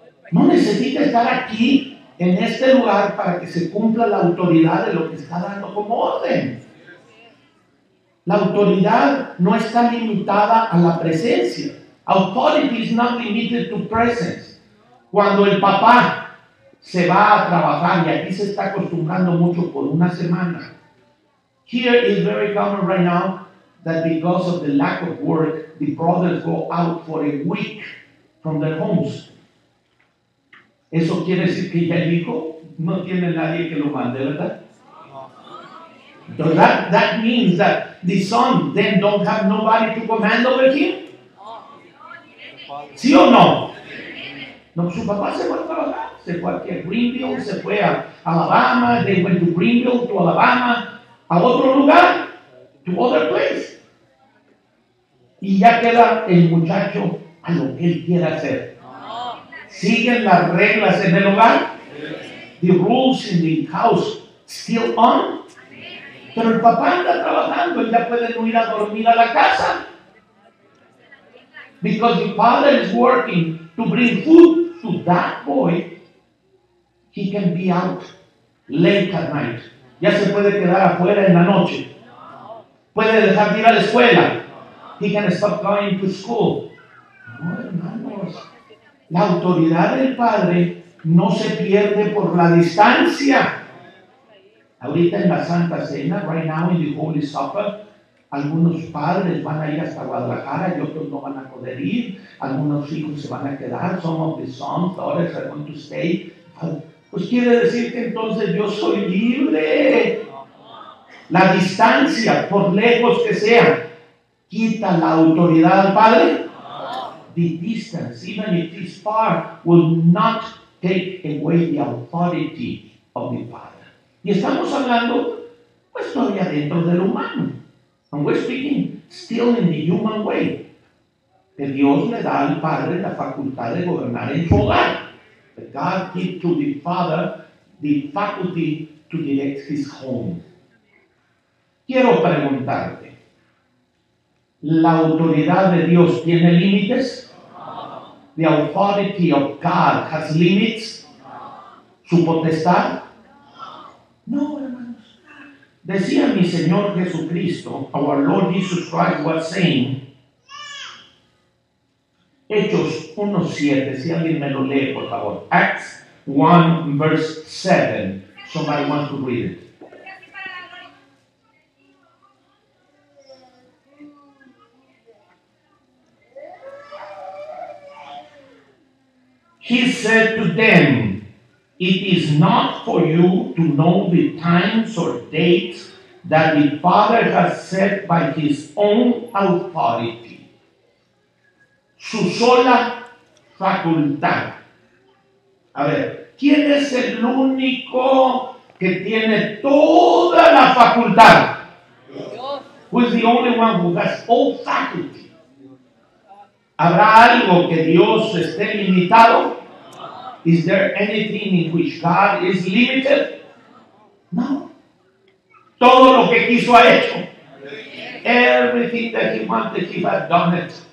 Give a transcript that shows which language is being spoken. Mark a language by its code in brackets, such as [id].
[es] No necesita estar aquí, en este lugar, para que se cumpla la autoridad de lo que está dando como orden. La autoridad no está limitada a la presencia. [en] Authority is not limited to presence. [es] Cuando el papá se va a trabajar, y aquí se está acostumbrando mucho por una semana. [en] Here is very common right now that because of the lack of work, the brothers go out for a week from their homes. [es] Eso quiere decir que ya el hijo no tiene nadie que lo mande, ¿verdad? [en] So that means that the son then don't have nobody to command over him? [es] ¿Sí o no? No, su papá se fue a trabajar, se fue aquí a Greenville, se fue a Alabama, [en] they went to Greenville, to Alabama, [es] a otro lugar, [en] to other place. [es] Y ya queda el muchacho a lo que él quiera hacer. ¿Siguen las reglas en el hogar? [en] The rules in the house still on. [es] Pero el papá anda trabajando, él ya puede no ir a dormir a la casa. [en] Because the father is working to bring food to that boy, he can be out late at night. [es] Ya se puede quedar afuera en la noche. Puede dejar de ir a la escuela. [en] He can stop going to school. [es] No, hermanos. La autoridad del padre no se pierde por la distancia. Ahorita en la Santa Cena, [en] right now in the Holy Supper, [es] algunos padres van a ir hasta Guadalajara y otros no van a poder ir. Algunos hijos se van a quedar. [en] Some of the sons, daughters are going to stay. [es] Pues quiere decir que entonces yo soy libre. La distancia, por lejos que sea, quita la autoridad al padre. [en] The distance, even if it's far, will not take away the authority of the father. [es] Y estamos hablando, pues todavía dentro del humano. [en] And we're speaking still in the human way. [es] Que Dios le da al padre la facultad de gobernar en su hogar. [en] That God gives to the father the faculty to direct his home. [es] Quiero preguntarte, ¿la autoridad de Dios tiene límites? [en] The authority of God has limits. [es] ¿Su potestad? No, hermanos. Decía mi Señor Jesucristo, [en] our Lord Jesus Christ was saying, [es] Hechos 1:7, si alguien me lo lee, por favor. [en] Acts 1, verse 7. Somebody wants to read it. He said to them, it is not for you to know the times or dates that the Father has set by his own authority. [es] Su sola facultad. A ver, ¿quién es el único que tiene toda la facultad? [en] Who is the only one who has all faculty? [es] ¿Habrá algo que Dios esté limitado? [en] Is there anything in which God is limited? No. [es] Todo lo que quiso ha hecho. [en] Everything that he wanted, he has done it.